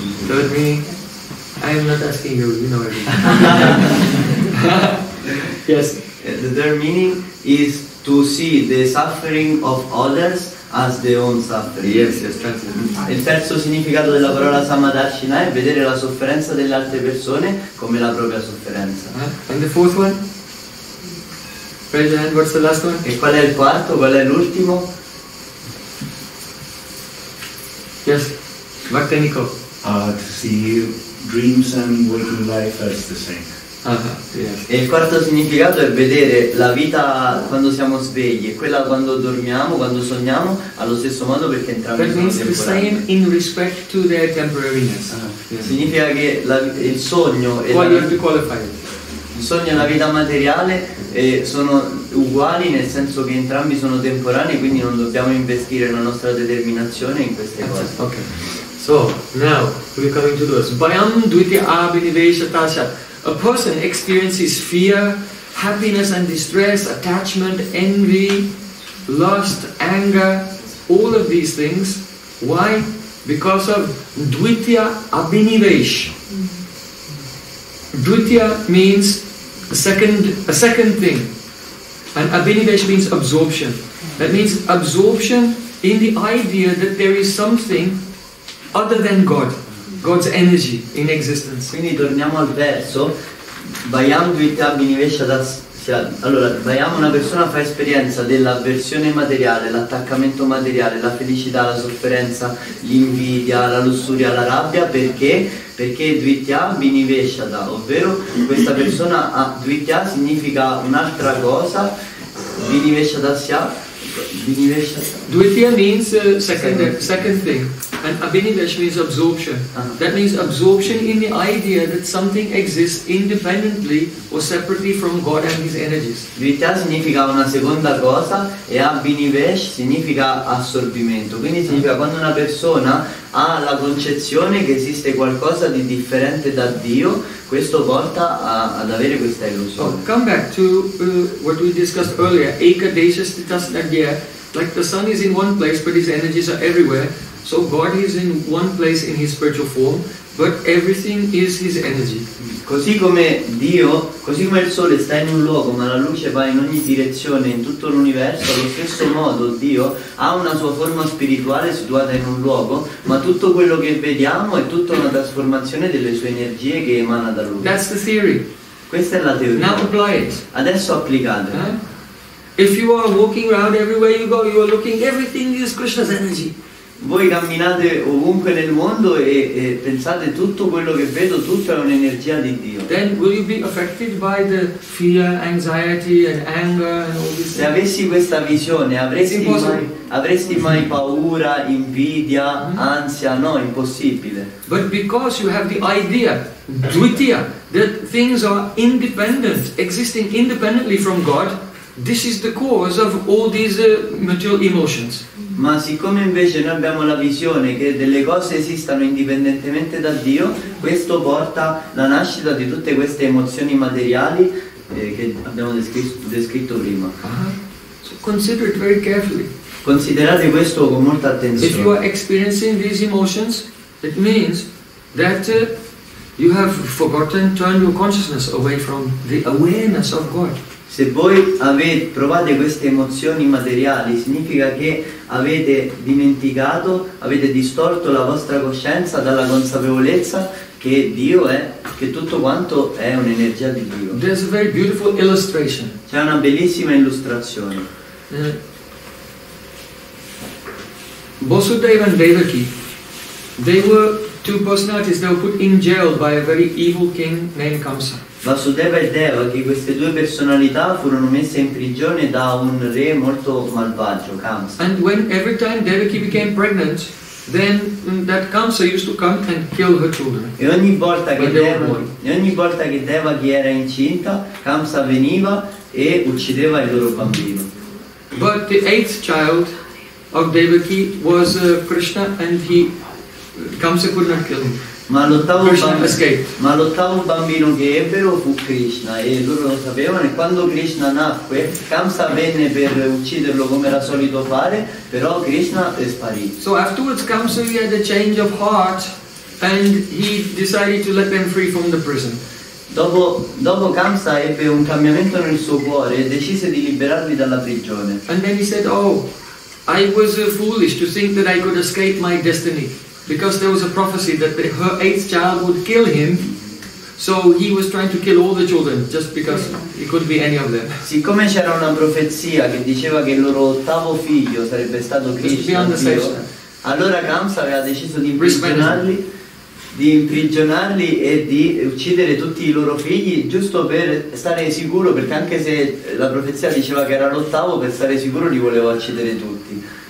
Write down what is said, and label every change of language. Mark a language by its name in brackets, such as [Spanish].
[English] Third meaning? I am not asking you, you know everything. Yes. The third meaning is to see the suffering of others as their own suffering. Yes, yes, that's it. [Italian] Il terzo significato della parola samadarshina è vedere la sofferenza delle altre persone come la propria sofferenza. [English] And the fourth one? Raise your hand, what's the last one? [Italian] E qual è il quarto? Qual è l'ultimo? [English] Yes, Bhakti Niko. To see dreams and waking life as the same. [Italian] Yeah. E il quarto significato è vedere la vita quando siamo svegli e quella quando dormiamo, quando sogniamo, allo stesso modo, perché entrambi sono temporanei. [English] The same in respect to their temporariness. [Italian] Significa che il sogno e la vita materiale sono uguali, nel senso che entrambi sono temporanei, quindi non dobbiamo investire la nostra determinazione in queste cose. [English] Ok, so now we're coming to this. [Sanskrit] Bhayam dvitiya abhinivesha tasya. [English] A person experiences fear, happiness and distress, attachment, envy, lust, anger, all of these things. Why? Because of dvitiya abhinivesh. Dvitiya means a second thing. And abhinivesh means absorption. That means absorption in the idea that there is something other than God. God's energy in existence. [Italian] Quindi torniamo al verso. [Sanskrit] Vayam dvita binivesha das. [Italian] Allora, vediamo una persona fa esperienza dell'avversione materiale, l'attaccamento materiale, la felicità, la sofferenza, l'invidia, la lussuria, la rabbia, perché? Perché dvitya binivesha, ovvero questa persona ha dvitya significa un'altra cosa, binivesha dasya, binivesha. [English] Dvitya means second thing, and abinivesha means absorption. That means absorption in the idea that something exists independently or separately from God and His energies. [Italian] Dvitya significa una seconda cosa e abinivesh significa assorbimento. Quindi significa quando una persona ha la concezione che esiste qualcosa di differente da Dio, questo porta ad avere questa illusione. [English] Oh, come back to what we discussed earlier, ekadesha sthitasthadya, like the sun is in one place but His energies are everywhere. So God is in one place in His spiritual form, but everything is His energy. [Italian] Così come Dio, così come il sole sta in un luogo, ma la luce va in ogni direzione in tutto l'universo, allo stesso modo Dio ha una sua forma spirituale situata in un luogo, ma tutto quello che vediamo è tutta una trasformazione delle sue energie che emana da lui. [English] That's the theory. [Italian] Questa è la teoria. [English] Now apply it. [Italian] Adesso applicate. [English] If you are walking around everywhere you go, you are looking, everything is Krishna's energy. [Italian] Voi camminate ovunque nel mondo e pensate tutto quello che vedo, tutto è un'energia di Dio. [English] Then will you be affected by the fear, anxiety and anger and all this? [Italian] Se avessi questa visione, avresti mai paura, invidia, ansia? No, impossibile. [English] But because you have the idea, dvitya, that things are independent, existing independently from God, this is the cause of all these material emotions. [Italian] Ma siccome invece noi abbiamo la visione che delle cose esistano indipendentemente da Dio, questo porta alla nascita di tutte queste emozioni materiali che abbiamo descritto prima. [English] So consider it very carefully. [Italian] Considerate questo con molta attenzione. [English] If you are experiencing these emotions, it means that you have forgotten, turned your consciousness away from the awareness of God. [Italian] Se voi avete provate queste emozioni materiali, significa che avete dimenticato, avete distorto la vostra coscienza dalla consapevolezza che Dio è, che tutto quanto è un'energia di Dio. [English] There's a very beautiful illustration. [Italian] C'è una bellissima illustrazione. [English] Vasudeva and Devaki, they were two personalities, they were put in jail by a very evil king named Kamsa. [Italian] Vasudeva e Devaki, queste due personalità furono messe in prigione da un re molto malvagio, Kamsa. [English] And when every time Devaki became pregnant, then that Kamsa used to come and kill her children. [Italian] E ogni volta che Devaki era incinta, Kamsa veniva e uccideva il loro bambino. [English] But the eighth child of Devaki was Krishna, and Kamsa could not kill him. [Italian] Ma l'ottavo bambino che ebbero fu Krishna, e loro lo sapevano, e quando Krishna nacque, Kamsa venne per ucciderlo come era solito fare, però Krishna è sparito. [English] So afterwards Kamsa had a change of heart and he decided to let them free from the prison. [Italian] Dopo Kamsa ebbe un cambiamento nel suo cuore e decise di liberarli dalla prigione. [English] And then he said, oh, I was foolish to think that I could escape my destiny. Because there was a prophecy that her eighth child would kill him, so he was trying to kill all the children just because it could be any of them. [Italian] Siccome c'era una profezia che diceva che il loro ottavo figlio sarebbe stato Krishna, allora Kamsa aveva deciso di imprigionarli e di uccidere tutti i loro figli giusto per stare sicuro, perché anche se la profezia diceva che era l'ottavo, per stare sicuro li voleva uccidere tutti.